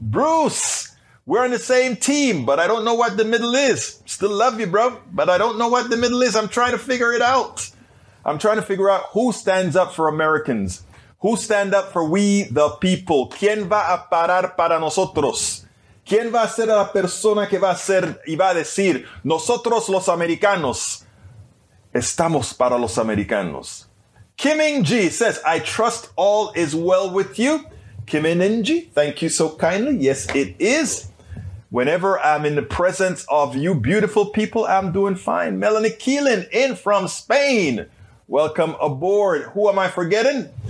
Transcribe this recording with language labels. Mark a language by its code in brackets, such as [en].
[en] Bruce, we're on the same team, but I don't know what the middle is. Still love you, bro, but I don't know what the middle is. I'm trying to figure it out. I'm trying to figure out who stands up for Americans. Who stand up for we the people? [es] ¿Quién va a parar para nosotros? ¿Quién va a ser la persona que va a ser y va a decir, nosotros los americanos, estamos para los americanos? [en] Kimin-ji says, I trust all is well with you. Kimin-ji, thank you so kindly. Yes, it is. Whenever I'm in the presence of you beautiful people, I'm doing fine. Melanie Keelan in from Spain. Welcome aboard. Who am I forgetting?